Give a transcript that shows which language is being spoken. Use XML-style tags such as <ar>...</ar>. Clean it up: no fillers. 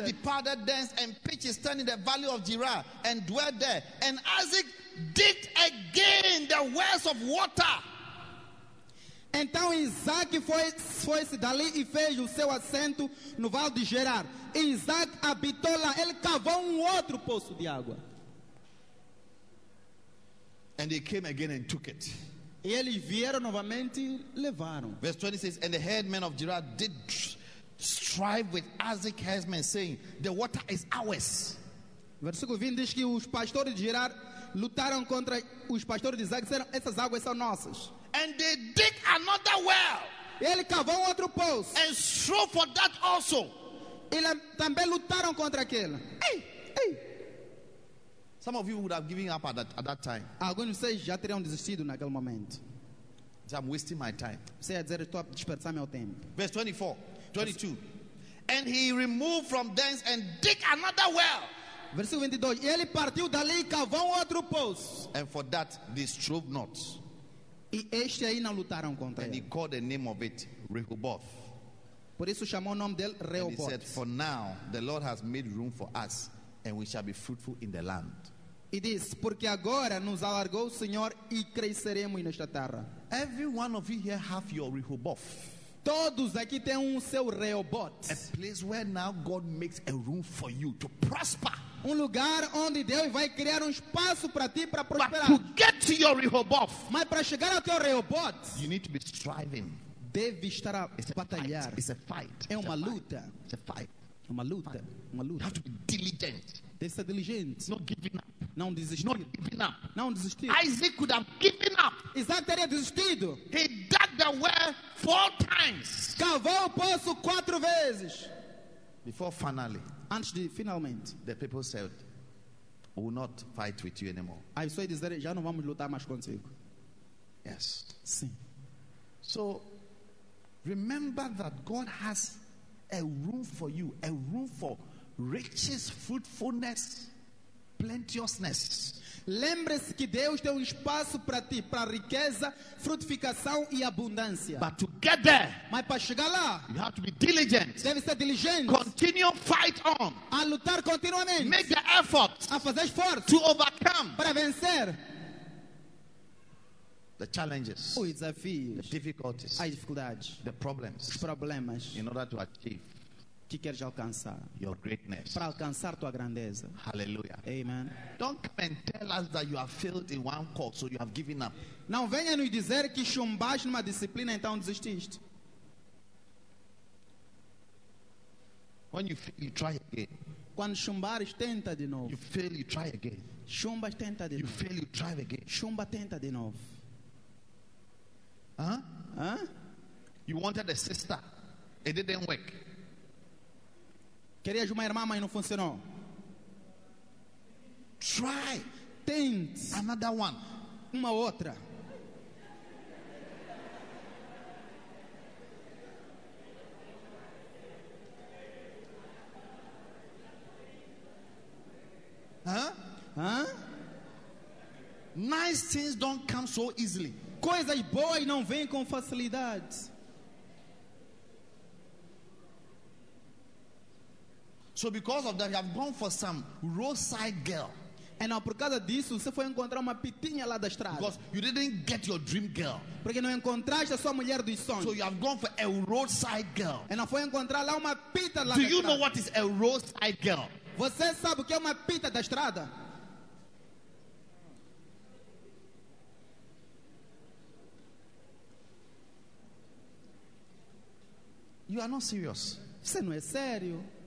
<en>Isaac departed thence and pitched his tent in the valley of Gerar and dwelt there. And Isaac digged again the wells of water.</en> <pt>Então Isaac foi-se dali e fez o seu assento no vale de Gerar. Isaac habitou lá, ele cavou outro poço de água.</pt> <en>And they came again and took it.</en> <pt>E eles vieram novamente e levaram.</pt> <en>Verse 20 says, and the headmen of Gerar did strive with Isaac's headmen, saying, the water is ours.</en> <pt>Versículo 20 diz que os pastores de Gerar lutaram contra os pastores de Isaac, disseram, essas águas são nossas.</pt> <en>And they dig another well.</en> <pt>Ele cavou outro poço.</pt> <en>And strove for that also.</en> <pt>Eles também lutaram contra aquele.</pt> <en>Hey. Some of you would have given up at that time.</en> <pt>Alguns de vocês já teriam desistido naquele momento.</pt> <en>I'm wasting my time.</en> <pt>Você ia dizer, estou a desperdiçar meu tempo.</pt> <en>Verse 24, 22. And he removed from thence and dig another well.</en> <pt>Versículo 22. E ele partiu dali e cavou outro poço.</pt> <en>And for that they strove not.</en> <pt>E este aí não lutaram contra</pt> <en>and</en> <pt>ele.</pt> <en>And he called the name of it Rehoboth.</en> <pt>Por isso chamou o nome dele Rehoboth.</pt> <en>And he said, for now the Lord has made room for us, and we shall be fruitful in the land.</en> <pt>E diz, porque agora nos alargou o Senhor e cresceremos nesta terra.</pt> <en>Every one of you here have your Rehoboth.</en> <pt>Todos aqui têm seu Rehoboth.</pt> <en>A place where now God makes a room for you to prosper.</en> <pt>Lugar onde Deus vai criar espaço para ti para prosperar.</pt> <en>But to get to your Rehoboth.</en> <pt>Mas para chegar ao teu Rehoboth.</pt> <en>You need to be striving.</en> <pt>Deve estar a batalhar.</pt> <en>It's a fight.</en> <pt>É uma luta.</pt> <en>It's a fight.</en> <pt>Uma luta. Uma luta.</pt> <en>You have to be diligent.</en> <pt>Deve ser diligente.</pt> <en>Not giving up.</en> <pt>Não desistir.</pt> <en>Not giving up.</en> <pt>Não desistir.</pt> <en>Isaac could have given up.</en> <pt>Isaac teria desistido.</pt> <en>He dug the well four times.</en> <pt>Cavou o poço quatro vezes.</pt> <en>Before finally.</en> <pt>Antes de finalmente.</pt> <en>The people said, we will not fight with you anymore.</en> <pt>Aí só dizer, já não vamos lutar mais contigo.</pt> <en>Yes.</en> <pt>Sim.</pt> <en>So, remember that God has a room for you, a room for riches, fruitfulness, plenteousness.</en> <pt>Lembre-se que Deus tem espaço para ti, para riqueza, frutificação e abundância.</pt> <en>But to get there,</en> <pt>mas para chegar lá,</pt> <en>you have to be diligent.</en> <pt>Deve ser diligente.</pt> <en>Continue fight on.</en> <pt>A lutar continuamente.</pt> <en>Make the effort.</en> <pt>A fazer esforço.</pt> <en>To overcome.</en> <pt>Para vencer.</pt> <en>The challenges,</en> <pt>os desafios,</pt> <en>the difficulties,</en> <pt>as dificuldades,</pt> <en>the problems,</en> <pt>os problemas,</pt> <en>in order to achieve,</en> <pt>que queres alcançar,</pt> <en>your greatness,</en> <pt>para alcançar tua grandeza.</pt> <en>Hallelujah. Amen. Don't come and tell us that you have failed in one course, so you have given up.</en> <pt>Não venha nos dizer que chumbaste numa disciplina então desististe.</pt> <en>When you fail, you try again.</en> <pt>Quando chumbares, tenta de novo.</pt> <en>You fail, you try again.</en> <pt>Chumbas, tenta de novo.</pt> <en>You fail, you try again.</en> <pt>Chumba, tenta de novo.</pt> <en>You wanted a sister, it didn't work.</en> <pt>Querias uma irmã, mas não funcionou.</pt> <en>Try,</en> <pt>tente.</pt> <en>Another one,</en> <pt>uma outra.</pt> <en>Nice things don't come so easily.</en> <pt>Coisas boas não vêm com facilidade.</pt> <en>So because of that, you have gone for some roadside girl.</en> <pt>E não, por causa disso, você foi encontrar uma pitinha lá da estrada.</pt> <en>Because you didn't get your dream girl.</en> <pt>Porque não encontraste a sua mulher dos sonhos.</pt> <en>So you have gone for a roadside girl.</en> <pt>E não foi encontrar lá uma pita lá da estrada.</pt> <en>Do you know what is a roadside girl?</en> <pt>Você sabe o que é uma pita da estrada?</pt> <en>You are not serious.</en> <pt>Você não é sério.</pt>